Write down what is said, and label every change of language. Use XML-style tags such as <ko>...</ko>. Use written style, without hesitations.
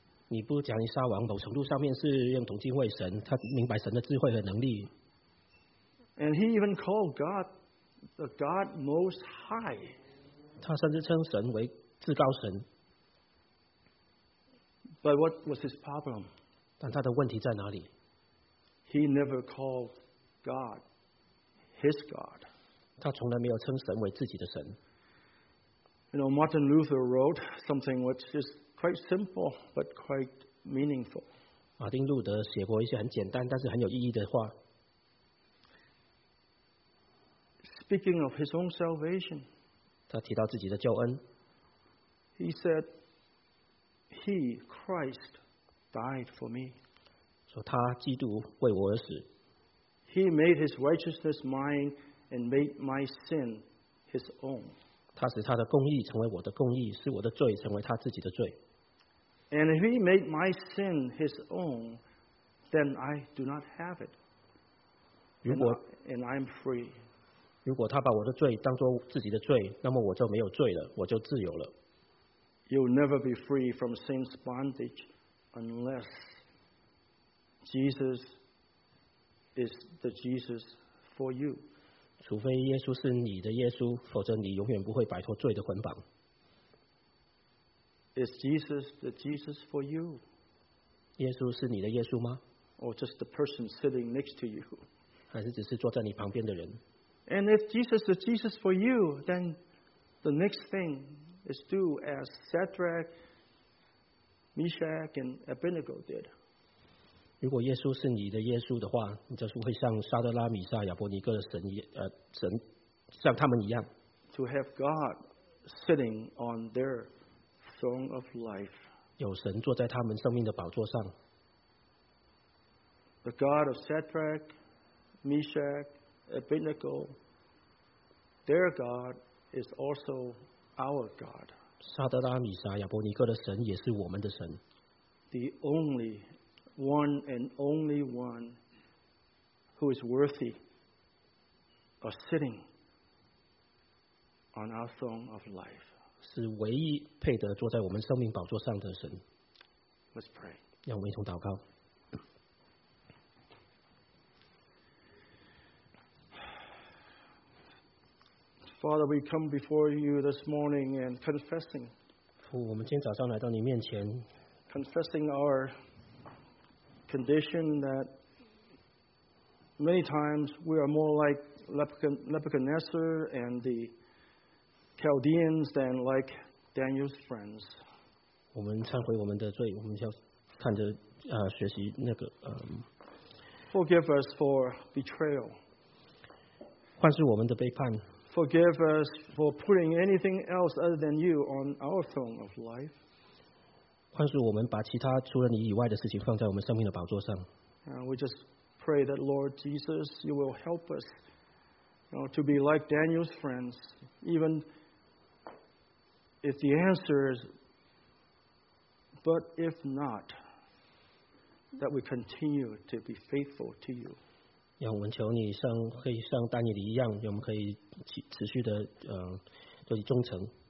<zh>尼布甲尼撒王某程度上面是认同敬畏神，他明白神的智慧和能力。</zh> <en>And he even called God the God Most High.</en> <zh>他甚至称神为至高神。</zh> <en>But what was his problem?</en> <zh>但他的问题在哪里？</zh> <en>He never called God his God.</en> <zh>他从来没有称神为自己的神。</zh> <en>You know, Martin Luther wrote something which is quite simple but quite meaningful.</en> <zh>马丁路德写过一些很简单但是很有意义的话。</zh> <en>Speaking of his own salvation.</en> <zh>他提到自己的救恩。</zh> <en>He said, "He Christ died for me."</en> <zh>说他基督为我而死。</zh> <en>He made his righteousness mine and made my sin his own.</en> <zh>他使他的公义成为我的公义，使我的罪成为他自己的罪。</zh> <en>And if he made my sin his own, then I do not have it.</en> <zh>如果</zh> <en>and I'm free.</en> <zh>如果他把我的罪当作自己的罪，那么我就没有罪了，我就自由了。</zh> <en>You'll never be free from sin's bondage unless Jesus is the Jesus for you.</en> <zh>除非耶稣是你的耶稣，否则你永远不会摆脱罪的捆绑。</zh> <en>Is Jesus the Jesus for you?</en> <zh>耶稣是你的耶稣吗？</zh> <en>Or just the person sitting next to you?</en> <zh>还是只是坐在你旁边的人？</zh> <en>And if Jesus is Jesus for you, then the next thing is do as Shadrach, Meshach, and Abednego did.</en> <zh>如果耶稣是你的耶稣的话，你就是会像撒德拉、米撒、亚伯尼哥的神，神像他们一样。</zh> <en>To have God sitting on their throne of life.</en> <zh>有神坐在他们生命的宝座上。</zh> <en>The God of Shadrach, Meshach, Abednego, their God is also our God.</en> <zh>撒德拉米撒亚伯尼哥的神也是我们的神。</zh> <en>The only one and only one who is worthy of sitting on our throne of life.</en> <zh>是唯一配得坐在我们生命宝座上的神。</zh> <en>Let's pray.</en> <zh>让我们一同祷告。</zh> <en>Father, we come before you this morning and confessing.</en> <zh>父，我们今天早上来到你面前。</zh> <en>Confessing our condition that many times we are more like Nebuchadnezzar and the Chaldeans than like Daniel's friends.</en> <zh>我们忏悔我们的罪，我们要看着学习那个</zh> <en>Forgive us for betrayal.</en> <zh>宽恕我们的背叛。</zh> <en>Forgive us for putting anything else other than you on our throne of life.</en> <zh>宽恕我们把其他除了你以外的事情放在我们生命的宝座上。</zh> <en>We just pray that Lord Jesus, you will help us, you know, to be like Daniel's friends, even if the answer is, but if not, that we continue to be faithful to you.</en> <zh>让我们求你像可以像丹尼里一样，我们可以持续的对你忠诚。</zh>